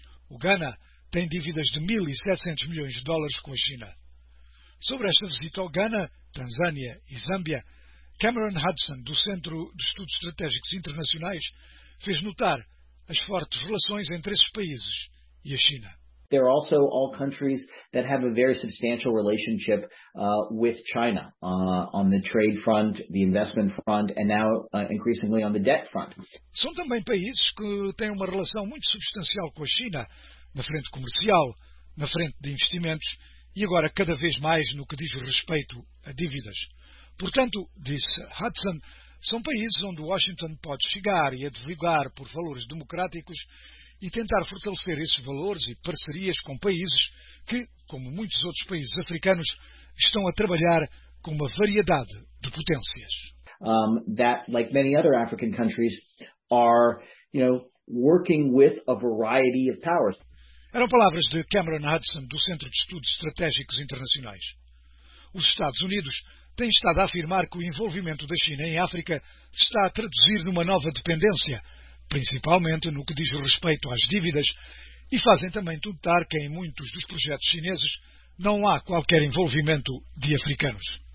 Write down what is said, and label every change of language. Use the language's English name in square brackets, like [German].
[Portuguese] O Ghana tem dívidas de 1.700 milhões de dólares com a China. Sobre esta visita ao Ghana, Tanzânia e Zâmbia, Cameron Hudson, do Centro de Estudos Estratégicos Internacionais, fez notar as fortes relações entre esses países e a China. [English] There are also all countries that have a very substantial relationship with China on the trade front, the investment front, and now increasingly on the debt front. [Portuguese] São também países que têm uma relação muito substancial com a China, na frente comercial, na frente de investimentos e agora cada vez mais no que diz respeito a dívidas. Portanto, disse Hudson, são países onde Washington pode chegar e advogar por valores democráticos e tentar fortalecer esses valores e parcerias com países que, como muitos outros países africanos, estão a trabalhar com uma variedade de potências. [English] That, like many other African countries, are, you know, working with a variety of powers. [Portuguese] Eram palavras de Cameron Hudson, do Centro de Estudos Estratégicos Internacionais. Os Estados Unidos têm estado a afirmar que o envolvimento da China em África se está a traduzir numa nova dependência, principalmente no que diz respeito às dívidas, e fazem também notar que em muitos dos projetos chineses não há qualquer envolvimento de africanos.